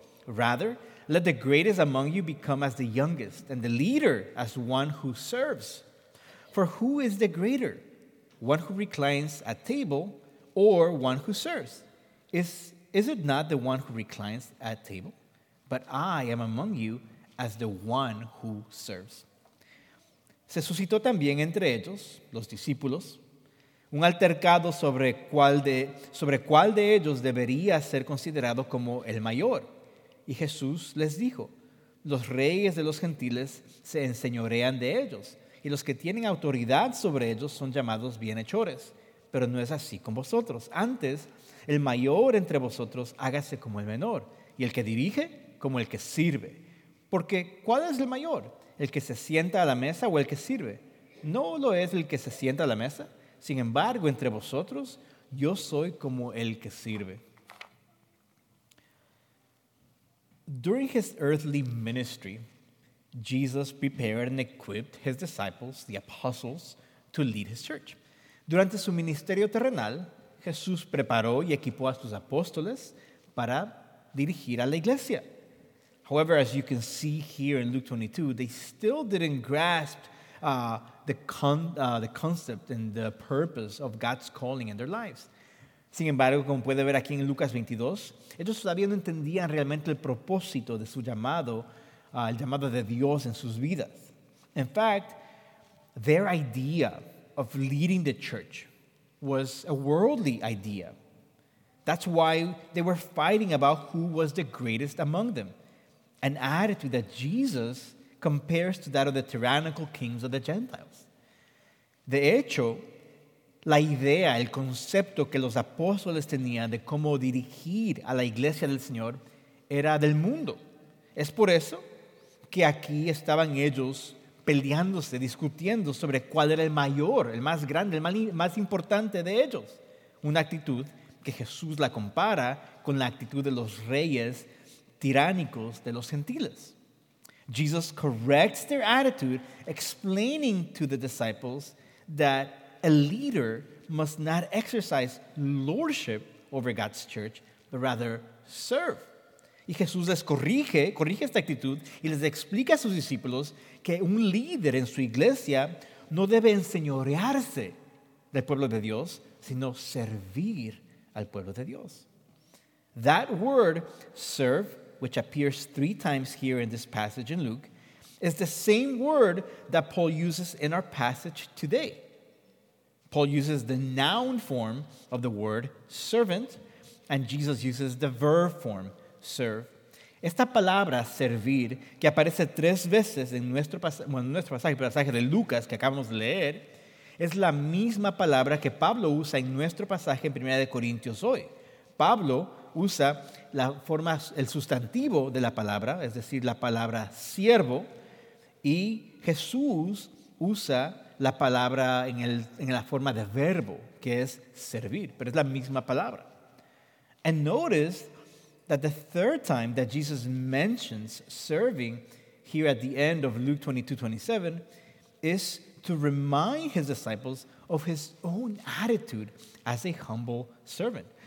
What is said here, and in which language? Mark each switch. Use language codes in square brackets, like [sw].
[en] Rather, let the greatest among you become as the youngest, and the leader as one who serves. For who is the greater, one who reclines at table or one who serves? Is it not the one who reclines at table? But I am among you as the one who serves. [es] Se suscitó también entre ellos, los discípulos, un altercado sobre cuál de ellos debería ser considerado como el mayor. Y Jesús les dijo, los reyes de los gentiles se enseñorean de ellos, y los que tienen autoridad sobre ellos son llamados bienhechores. Pero no es así con vosotros. Antes, el mayor entre vosotros hágase como el menor, y el que dirige como el que sirve. Porque, ¿cuál es el mayor? ¿El que se sienta a la mesa o el que sirve? ¿No lo es el que se sienta a la mesa? Sin embargo, entre vosotros, yo soy como el que sirve. [en] During his earthly ministry, Jesus prepared and equipped his disciples, the apostles, to lead his church. [es] Durante su ministerio terrenal, Jesús preparó y equipó a sus apóstoles para dirigir a la iglesia. [en] However, as you can see here in Luke 22, they still didn't grasp the concept and the purpose of God's calling in their lives. [es] Sin embargo, como puede ver aquí en Lucas 22, ellos todavía no entendían realmente el propósito de su llamado, el llamado de Dios en sus vidas. [en] In fact, their idea of leading the church was a worldly idea. That's why they were fighting about who was the greatest among them. An attitude that Jesus compares to that of the tyrannical kings of the Gentiles. [es] De hecho, la idea, el concepto que los apóstoles tenían de cómo dirigir a la iglesia del Señor era del mundo. Es por eso que aquí estaban ellos peleándose, discutiendo sobre cuál era el mayor, el más grande, el más importante de ellos. Una actitud que Jesús la compara con la actitud de los reyes tiránicos de los gentiles. [en] Jesus corrects their attitude, explaining to the disciples that a leader must not exercise lordship over God's church, but rather serve. [es] Y Jesús les corrige esta actitud y les explica a sus discípulos que un líder en su iglesia no debe enseñorearse del pueblo de Dios, sino servir al pueblo de Dios. [en] That word, serve, which appears three times here in this passage in Luke, is the same word that Paul uses in our passage today. Paul uses the noun form of the word servant, and Jesus uses the verb form, serve. [es] Esta palabra, servir, que aparece tres veces en nuestro pasaje de Lucas que acabamos de leer, es la misma palabra que Pablo usa en nuestro pasaje en 1 Corintios hoy. Pablo usa la forma, el sustantivo de la palabra, es decir, la palabra siervo, y Jesús usa la palabra en la forma de verbo, que es servir, pero es la misma palabra. [en] And notice that the third time that Jesus mentions serving here at the end of Luke 22:27 is to remind his disciples of his own attitude as a humble servant.